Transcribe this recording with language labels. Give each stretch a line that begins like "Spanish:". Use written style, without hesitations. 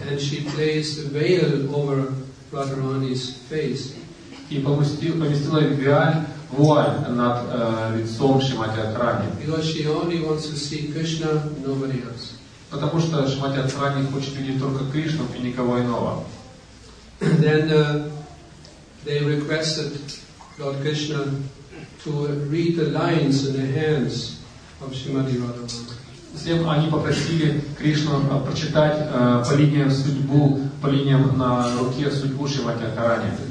English: And she placed a veil over Radharani's face.
Russian: И поместила вуаль. Вуаль над лицом Шримати Радхарани.
English: Because she only wants to see Krishna, nobody else.
Russian: Потому что Шримати Радхарани хочет видеть только Кришну и никого иного.
English: Then they requested Lord Krishna to read the lines in the hands of Shrimati Radharani.
Russian: Затем они попросили Кришну прочитать по линиям судьбу, по линиям на руке судьбу Шримати Радхарани.